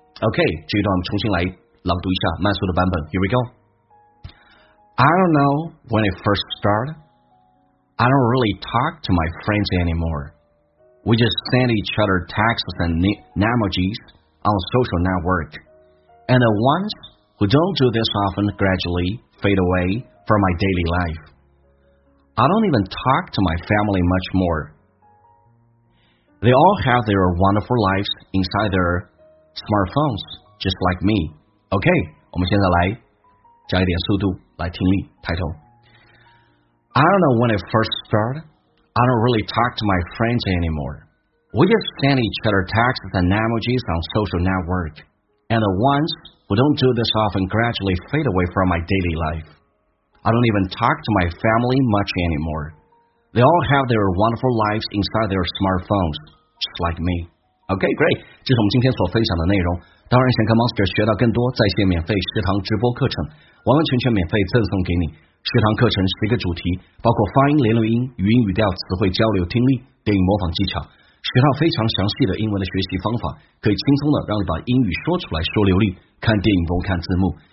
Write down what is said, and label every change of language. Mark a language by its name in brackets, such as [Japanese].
[Chinese] OK， 这一段我们重新来朗读一下慢速的版本。 [English] Here we go。 I don't know when it first started。 I don't really talk to my friends anymore。 We just send each other texts and emojis on social network。 And the ones who don't do this often gradually fade away from my daily life。 I don't even talk to my family much more。 They all have their wonderful lives inside their smartphones, just like me. [Chinese] OK, 我们现在来加一点速度来听力抬头。 [English] I don't know when it first started. I don't really talk to my friends anymore. We just send each other texts and emojis on social network. And the ones who don't do this often gradually fade away from my daily life. I don't even talk to my family much anymore. They all have their wonderful lives inside their smartphones, just like me. OK, great. [Chinese] 这是我们今天所分享的内容。当然想跟 Monster 学到更多在线免费学堂直播课程，完完全全免费赠送给你。学堂课程是一个主题，包括发音、连录音、语音语调、词汇交流、听力、电影模仿技巧，学到非常详细的英文的学习方法，可以轻松的让你把英语说出来说流利，看电影不用看字幕。